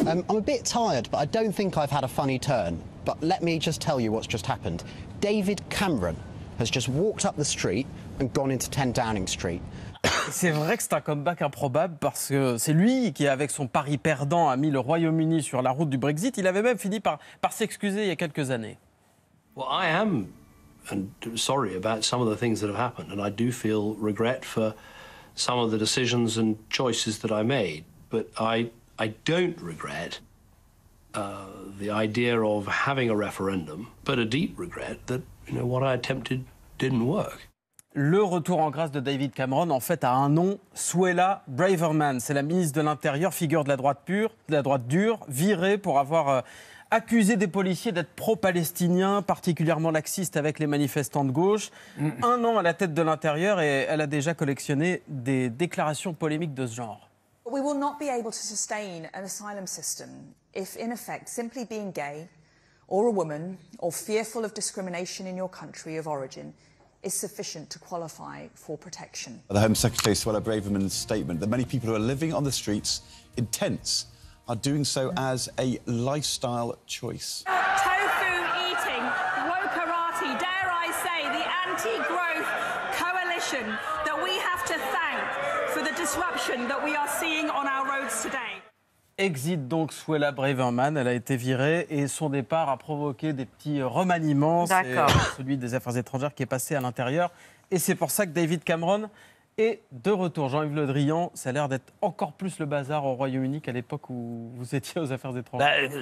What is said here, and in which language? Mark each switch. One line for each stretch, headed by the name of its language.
English: I'm a bit tired, but I don't think I've had a funny turn. But let me just tell you what's just happened. David Cameron has just walked up the street and gone into 10 Downing Street.
French: C'est vrai que c'est un comeback improbable parce que c'est lui qui, avec son pari perdant, a mis le Royaume-Uni sur la route du Brexit. Il avait même fini par s'excuser il y a quelques années.
English: Well, I am sorry about some of the things that have happened, and I do feel regret for some of the decisions and choices that I made, but I don't regret the idea of having a referendum, but a deep regret that, you know, what I attempted didn't work.
French: Le retour en grâce de David Cameron, en fait, a un nom, Suella Braverman. C'est la ministre de l'Intérieur, figure de la droite pure, de la droite dure, virée pour avoir accusé des policiers d'être pro-palestiniens, particulièrement laxistes avec les manifestants de gauche. Un an à la tête de l'Intérieur et elle a déjà collectionné des déclarations polémiques de ce genre.
English: We will not be able to sustain an asylum system if, in effect, simply being gay or a woman or fearful of discrimination in your country of origin is sufficient to qualify for protection. The Home Secretary Suella Braverman's statement that many people who are living on the streets in tents are doing so as a lifestyle choice. Tofu eating, wokarati, dare I say, the anti-growth coalition that we have to thank for the disruption that we are seeing on our roads today.
French: Exit donc Suella Braverman, elle a été virée et son départ a provoqué des petits remaniements. D'accord. C'est celui des Affaires étrangères qui est passé à l'Intérieur. Et c'est pour ça que David Cameron Et de retour, Jean-Yves Le Drian, ça a l'air d'être encore plus le bazar au Royaume-Uni qu'à l'époque où vous étiez aux affaires étrangères.